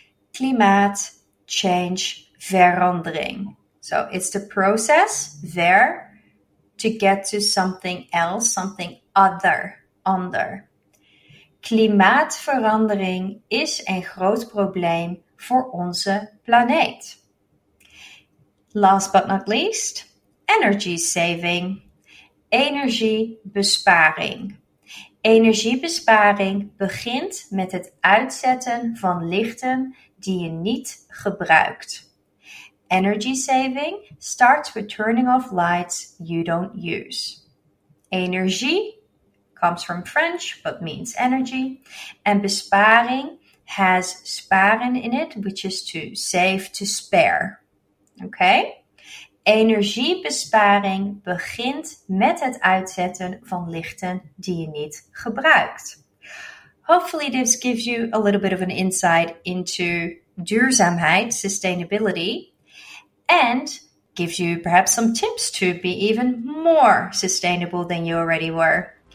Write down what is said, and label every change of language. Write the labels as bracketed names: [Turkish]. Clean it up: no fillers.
[Dutch] Klimaat change, verandering. [English] So it's the process there to get to something else, something other, under. [Dutch] Klimaatverandering is een groot probleem voor onze planeet. [English] Last but not least, energy saving. [Dutch] Energiebesparing. Energiebesparing begint met het uitzetten van lichten die je niet gebruikt. [English] Energy saving starts with turning off lights you don't use. Energie comes from French, but means energy. And besparing has sparen in it, which is to save, to spare. Okay? [Dutch] Energiebesparing begint met het uitzetten van lichten die je niet gebruikt. [English] Hopefully this gives you a little bit of an insight into duurzaamheid, sustainability, and gives you perhaps some tips to be even more sustainable than you already were.